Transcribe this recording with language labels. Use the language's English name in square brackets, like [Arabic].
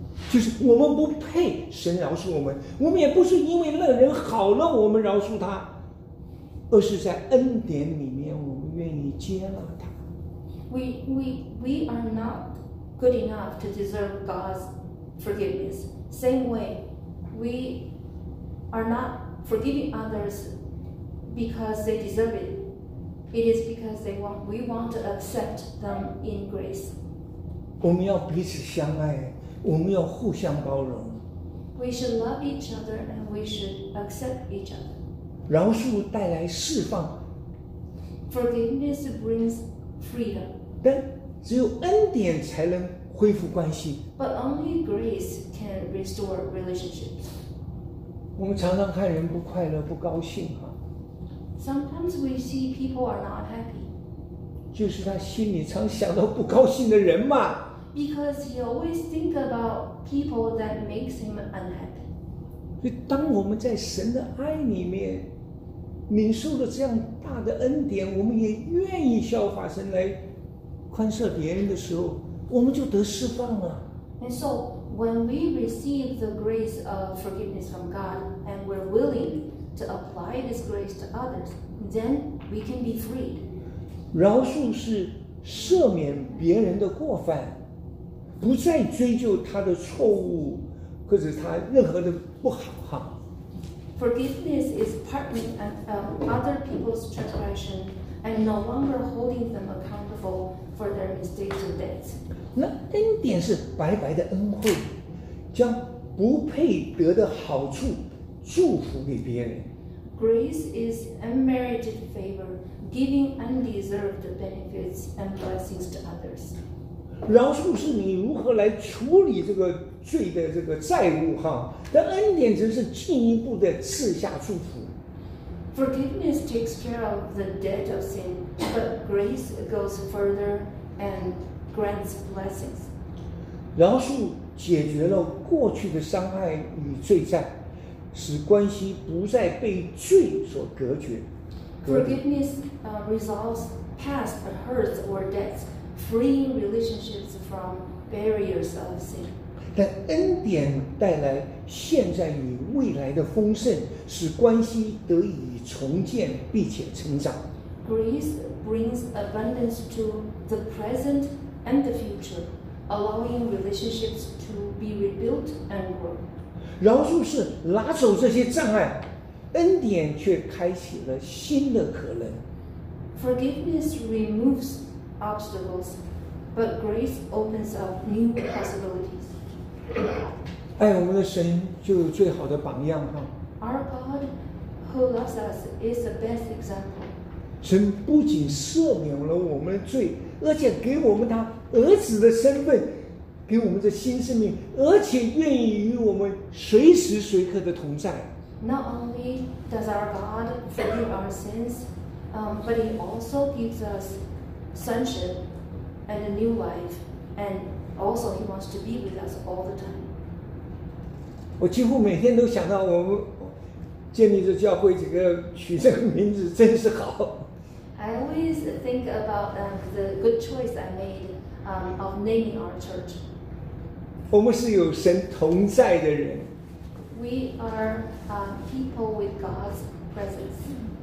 [Chinese] 就是我们不配神饶恕我们，我们也不是因为那人好了我们饶恕他。而是在恩典里面，我们愿意接纳他。 [English] We are not good enough to deserve God's forgiveness. Same way, we are not forgiving others because they deserve it. It is because we want to accept them in grace. [Chinese] 我们要彼此相爱，我们要互相包容。 [English] We should love each other and we should accept each other. [Chinese] 饶恕带来释放。 [English] Forgiveness brings freedom. [Chinese] 但只有恩典才能恢复关系。 [English] But only grace can restore relationships. [Chinese] 我们常常看人不快乐、不高兴哈。 [English] Sometimes we see people are not happy. [Chinese] 就是他心里常想到不高兴的人嘛。 [English] Because he always think about people that makes him unhappy. [Chinese] 所以当我们在神的爱里面领受了这样大的恩典，我们也愿意效法神来宽赦别人的时候，我们就得释放了。 [English] And so, when we receive the grace of forgiveness from God and we're willing to apply this grace to others, then we can be freed. [Chinese] 饶恕是赦免别人的过犯，不再追究他的错误或者他任何的不好哈。 [English] Forgiveness is pardoning other people's transgression and no longer holding them accountable for their mistakes or debts. [Chinese] 那恩典是白白的恩惠，将不配得的好处祝福给别人。 [English] Grace is unmerited favor, giving undeserved benefits and blessings to others. [Chinese] 饶恕是你如何来处理这个罪的这个债务哈，但恩典则是进一步的赐下祝福。 [English] Forgiveness takes care of the debt of sin, but grace goes further and grants blessings. [Chinese] 饶恕解决了过去的伤害与罪债，使关系不再被罪所隔绝。 [English] Forgiveness resolves past hurts or debts, freeing relationships from barriers of sin. [Chinese] 但恩典带来现在与未来的丰盛，使关系得以重建并且成长。 [English] Grace brings abundance to the present and the future, allowing relationships to be rebuilt and grow. [Chinese] 饶恕是拿走这些障碍，恩典却开启了新的可能。 [English] Forgiveness removes obstacles, but grace opens up new possibilities. [Chinese] 爱我们的神就有最好的榜样哈。 [English] Our God who loves us is the best example. [Chinese] 神不仅赦免了我们的罪，而且给我们他儿子的身份，给我们这新生命，而且愿意与我们随时随刻的同在。 [English] Not only does our God forgive our sins, but He also gives us sonship and a new life and. Also, he wants to be with us all the time. [Chinese] 我几乎每天都想到我们建立这教会，这个取这个名字真是好。 [English] I always think about the good choice I made of naming our church. [Chinese] 我们是有神同在的人。 [English] We are people with God's presence.